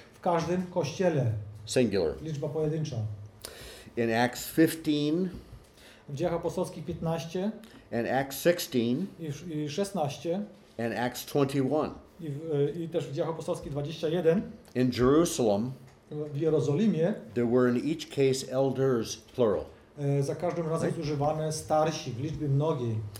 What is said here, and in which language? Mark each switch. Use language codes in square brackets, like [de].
[pl] W każdym kościele. [en] Singular. [pl] Liczba pojedyncza. [en] In Acts 15. [pl] W Dziejach Apostolskich 15. [en] And Acts 16. [pl] I 16. [en] And Acts 21. [pl] I też w Dziejach Apostolskich 21. [en] In Jerusalem. [pl] W Jerozolimie. [en] There were in each case elders, plural. [pl] Za każdym razem right? Używane starsi w liczbie mnogiej.